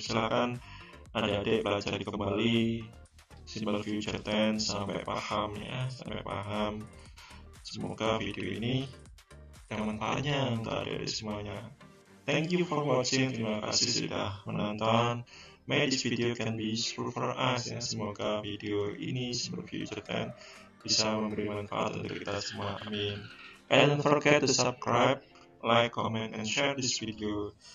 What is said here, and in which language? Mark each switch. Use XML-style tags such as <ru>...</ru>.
<id>Silakan adik-adik belajar kembali simple future tense sampai paham ya, sampai paham. Semoga video ini yang manfaatnya untuk adik-adik semuanya.</id> <en>Thank you for watching.</en> <id>Terima kasih sudah menonton.</id> <en>May this video can be useful for us.</en> <id>Ya. Semoga video ini simple future tense bisa memberi manfaat untuk kita semua. Amin.</id> <en>And don't forget to subscribe, like, comment, and share this video.</en>